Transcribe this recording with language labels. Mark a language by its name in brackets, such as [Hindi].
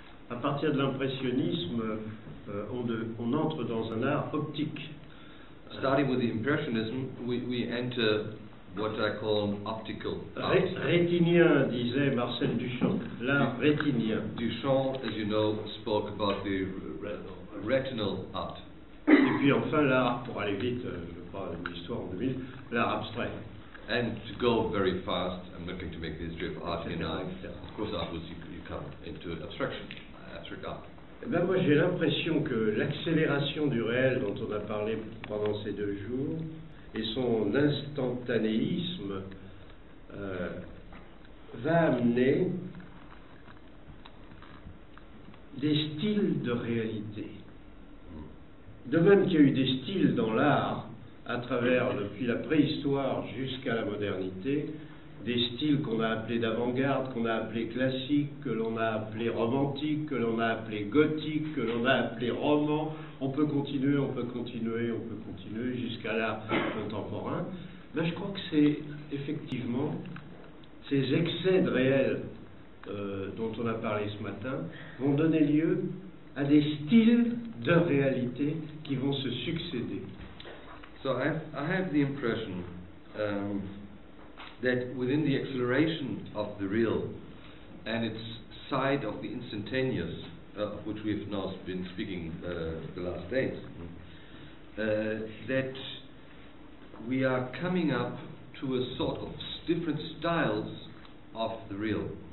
[French] À partir de l'impressionnisme, on entre dans un art optique. [English] Starting with the impressionism, we enter what I call optical art. [French] Rétinien, disait Marcel Duchamp. L'art rétinien. [English] Duchamp, as you know, spoke about the retinal art. [French] Et puis enfin, l'art, pour aller vite, je parle de l'histoire en 2000, l'art abstrait. [English] And to go very fast, I'm not going to make the history of art in life. Of course, afterwards you come into abstraction, abstract art. [French] Eh bien, moi, j'ai l'impression que l'accélération du réel dont on a parlé pendant ces deux jours et son instantanéisme va amener des styles de réalité. De même qu'il y a eu des styles dans l'art, à travers, depuis la préhistoire jusqu'à la modernité, des styles qu'on a appelés d'avant-garde, qu'on a appelés classiques, que l'on a appelés romantiques, que l'on a appelés gothiques, que l'on a appelés romans. On peut continuer, on peut continuer, on peut continuer jusqu'à l'art contemporain. Mais je crois que c'est effectivement ces excès de réel dont on a parlé ce matin vont donner lieu à des styles de réalité qui vont se succéder. [English] So I have the impression that within the acceleration of the real and its side of the instantaneous, of which we have now been speaking the last days, that we are coming up to a sort of different styles of the real.